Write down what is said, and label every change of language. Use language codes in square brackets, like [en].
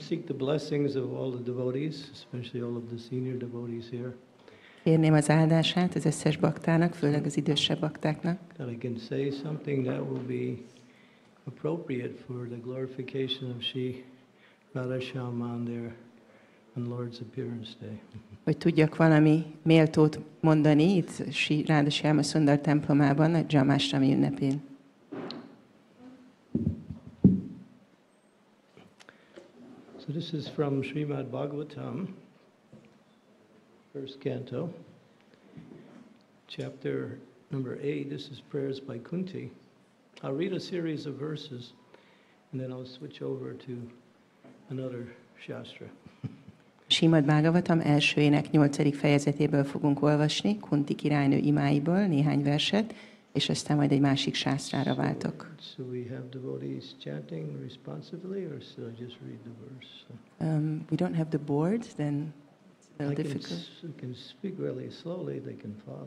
[en] Blessings of all the devotees, especially all of the senior devotees here. [hu] Kérném az áldását az összes baktának, főleg az idősebb baktáknak. [en] That I can say something that will be appropriate for the glorification of Sri Radha Shyam on their and Lord's appearance day. [hu] Hogy tudjak valami méltót mondani itt Sri Radha Shyam Sundar templomában a Janmastami ünnepén. [en] This is from Srimad-Bhagavatam, first canto, chapter number 8. This is prayers by Kunti. I'll read a series of verses, and then I'll switch over to another shastra. [hu] Srimad-Bhagavatam első ének 8. fejezetéből fogunk olvasni, Kunti királynő imáiból néhány verset, és aztán majd egy másik sásztrára váltok. [en] So we have devotees chanting responsively, or should I just read the verse? We don't have the board, then it's a little difficult. I can speak really slowly, they can follow.